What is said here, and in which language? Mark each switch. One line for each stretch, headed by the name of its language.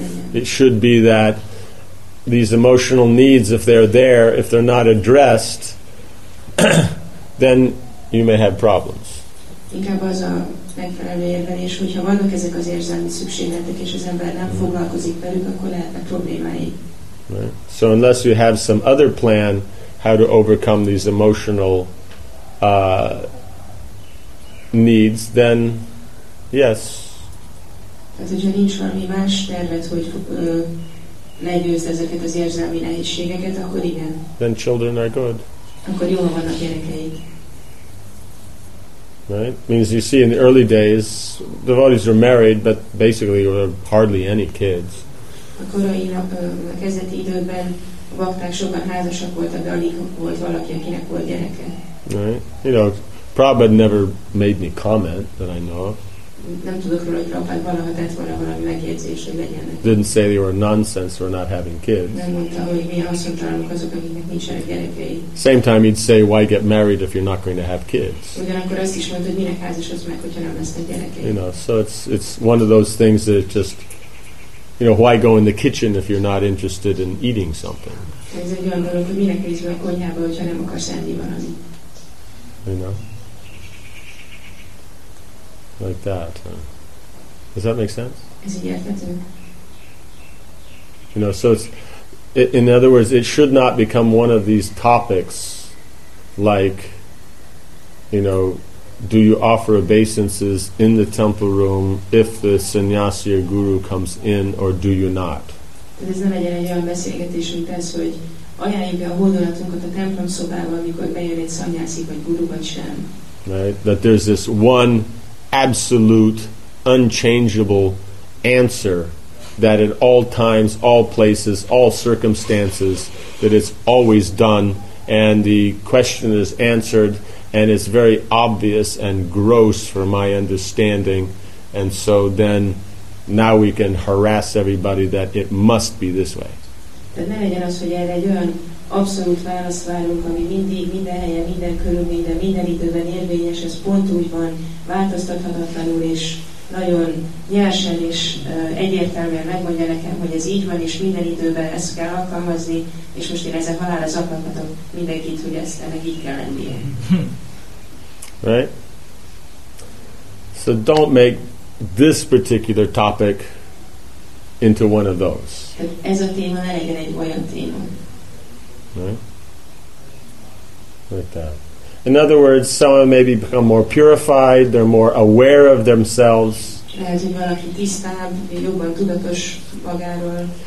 English: It should be that these emotional needs, if they're there, if they're not addressed, then you may have problems.
Hungarian: Inkább az a megfelelő érvelés, hogyha vannak ezek az érzelmi szükségletek, és az ember nem foglalkozik velük, akkor lehetnek problémái.
English: Right. So unless you have some other plan how to overcome these emotional needs, then yes.
Hungarian: Tehát, hogyha nincs valami más tervet, hogy legyőzd ezeket az érzelmi nehézségeket, akkor igen.
English: Then children are good.
Hungarian: Akkor jól vannak gyerekeid.
English: Right? Means you see in the early days the devotees were married but basically there were hardly any kids.
Hungarian: A korai a kezdeti időben a bakták sokan házasak voltak, de alig volt valaki, akinek volt gyereke.
English: Right? You know, Prabhupada never made any comment that I know of.
Hungarian: Nem tudok róla, hogy Prabhupád valaha tett volna valami megjegyzés, hogy legyenek.
English: Didn't say they were nonsense for not having kids.
Hungarian: Nem mondta, hogy milyen haszontalanok azok, akiknek nincsenek gyerekei.
English: Same time he'd say, why get married if you're not going to have kids.
Hungarian: Ugyanakkor azt is mondta, hogy minek házasodsz meg, hogyha nem lesznek gyerekei.
English: You know, so it's one of those things that just, you know, why go in the kitchen if you're not interested in eating something?
Hungarian: Ez egy olyan dolog, hogy minek részben a konyhába, hogyha nem akarsz enni valami.
English: You know? Like that. Does that make sense? Is it yet? You know, so it's, in other words, it should not become one of these topics like, you know, do you offer obeisances in the temple room if the sannyasi or guru comes in or do you not?
Hungarian: Ez nem egy olyan beszélgetés, mint ez, hogy ajánljuk a hódolatunkat a templom szobába, amikor bejön egy szanyászi vagy guru, vagy sem.
English: Right? That there's this one absolute, unchangeable answer that at all times, all places, all circumstances, that it's always done, and the question is answered, and it's very obvious and gross for my understanding, and so then now we can harass everybody that it must be this way.
Hungarian: Tehát ne legyen az, hogy erre egy olyan abszolút választ várunk, ami mindig, minden helyen, minden körülményben, minden időben érvényes, ez pont úgy van, változtathatatlanul, és nagyon nyersen és egyértelműen megmondja nekem, hogy ez így van, és minden időben ezt kell alkalmazni, és most én ezzel halálra zaklatom mindenkit, hogy ezt meg így kell lennie.
English: Right? So don't make this particular topic into one of those.
Hungarian: Ez a téma ne legyen egy olyan téma.
English: Right? Like that. In other words, someone maybe become more purified, they're more aware of themselves.
Hungarian: Lehet, hogy valaki tisztább, jobban tudatos magáról.